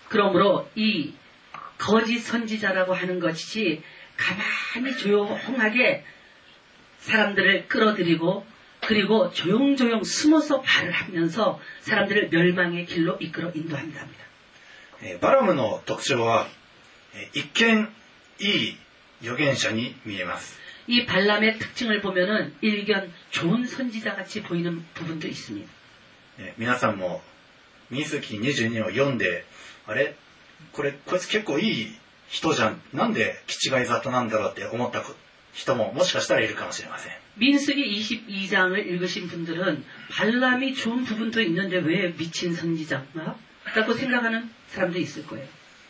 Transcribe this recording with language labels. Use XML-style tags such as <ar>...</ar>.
<ko>그러므로이거짓선지자라고하는것이지가만히조용하게사람들을끌어들이고그리고조용조용숨어서말을하면서사람들을멸망의길로이끌어인도한답니다</ko> <ja>바람의特徴は、一見いい預言者に見えます。</ja> <ko>이발람의특징을보면은일견좋은선지자같이보이는부분도있습니다</ko> <ja>皆さんも民数記22を読んで、あれこれこいつ結構いい人じゃん、なんで気違い沙汰なんだろうって思った人ももしかしたらいるかもしれません。</ja> <ko>민수기22장을읽으신분들은발람이좋은부분도있는데왜미친선지자가라고생각하는사람도있을거예요</ko>